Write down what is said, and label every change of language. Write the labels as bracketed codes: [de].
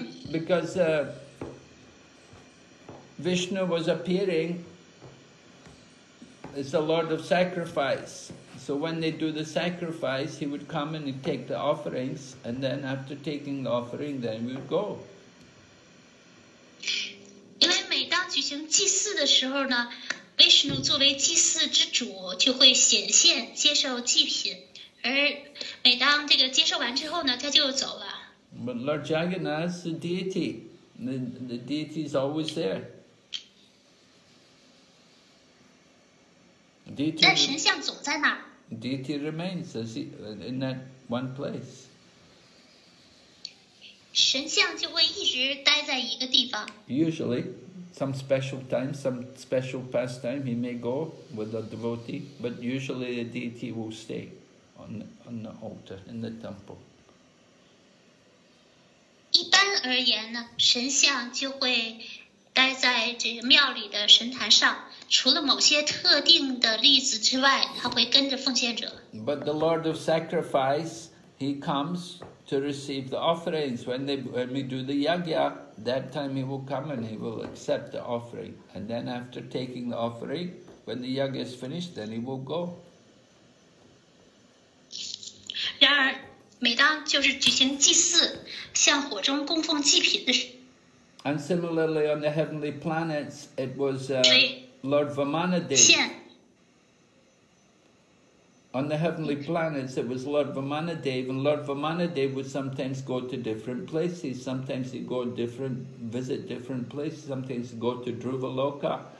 [en] Because Vishnu was appearing as the Lord of sacrifice. So when they do the sacrifice, he would come and he'd take the offerings, and then after taking the offering, then we would go. [zh] 因为每当举行祭祀的时候呢，维什奴作为祭祀之主就会显现接受祭品，而每当这个接受完之后呢，他就走了。 [en] But Lord Jagannath is the deity. The deity is always there. [zh] 但神像总在那儿。 [en] Deity remains as in that one place. [zh] 神像就会一直待在一个地方。 [en] Usually, some special time, some special pastime, he may go with a devotee, but usually the deity will stay on the altar in the temple. [zh] 一般而言呢，神像就会待在这个庙里的神坛上。除了某些特定的例子之外，他会跟着奉献者。 [en] But the Lord of Sacrifice, he comes to receive the offerings. When we do the yajna, that time he will come and he will accept the offering. And then after taking the offering, when the yajna is finished, then he will go. [zh] 然而，每当就是举行祭祀，向火中供奉祭品的时， [en] And similarly, on the heavenly planets, it was [zh] 对。 [en] Lord Vamanadeva. Yeah. On the heavenly planets, it was Lord Vamanadeva, and Lord Vamanadeva would sometimes go to different places. Sometimes he'd go different, visit different places. Sometimes he'd go to Dhruvaloka.